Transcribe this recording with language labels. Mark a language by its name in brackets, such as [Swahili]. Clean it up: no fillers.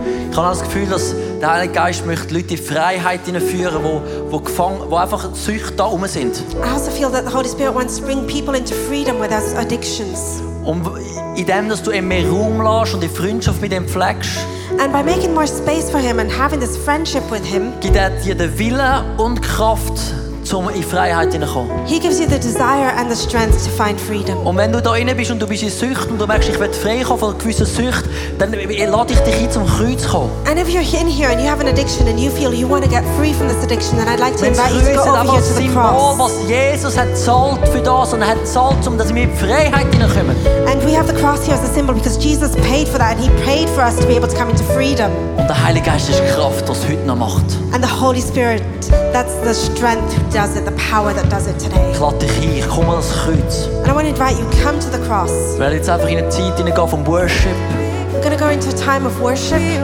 [German] Ich habe das Gefühl, dass der Heilige Geist möchte Leute in Freiheit führen, wo einfach Süchte da rum sind. [English] I also feel that the Holy Spirit wants to bring people into freedom with those addictions. [German] Und indem dass du ihm mehr Raum lässt und die Freundschaft mit ihm pflegst. [English] And by making more space for him and having this friendship with him. [German] Gibt er dir den Willen und Kraft, um in Freiheit zu kommen. [English] He gives you the desire and the strength to find freedom. [German] Und wenn du da inne bist und du bist in Sucht und du merkst, ich will frei kommen von gewissen Sucht, dann lade ich dich ein, zum Kreuz zu kommen. [English] And if you're in here and you have an addiction and you feel you want to get free from this addiction, then I'd like to invite you to go over here to the cross. [German] Symbol, was Jesus hat zahlt für das und hat zahlt, um dass wir in Freiheit hineinkommen. [English] And we have the cross here as a symbol because Jesus paid for that and he paid for us to be able to come into freedom. [German] Und der Heilige Geist ist Kraft, das heute noch macht. [English] And the Holy Spirit, that's the strength does it, the power that does it today. [German] Ich lade dich ein, komm an das Kreuz. [English] And I want to invite you, come to the cross. [German] Ich werde jetzt einfach in eine Zeit hineingehen von Worship. [English] We're going to go into a time of worship.